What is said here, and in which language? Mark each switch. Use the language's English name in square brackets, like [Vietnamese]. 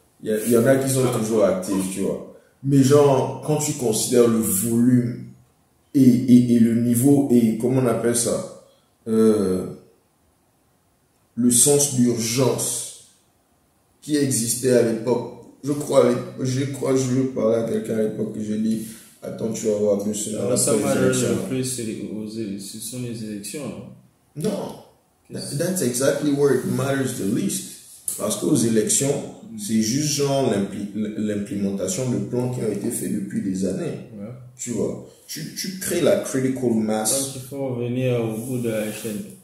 [French] Il y en a qui sont toujours actifs, tu vois. Mais genre, quand tu considères le volume et le niveau et comment on appelle ça, le sens d'urgence qui existait à l'époque, je parlais à quelqu'un à l'époque et j'ai dit, attends, tu vas voir mieux cela. Ça m'a l'air le plus, ce sont les élections. [English] Non, that's exactly where it matters the least. [French] Parce qu'aux élections, c'est juste genre l'implémentation de plans qui ont été faits depuis des années. Ouais. Tu vois, tu crées la critical mass. Donc, il faut revenir au bout de la chaîne.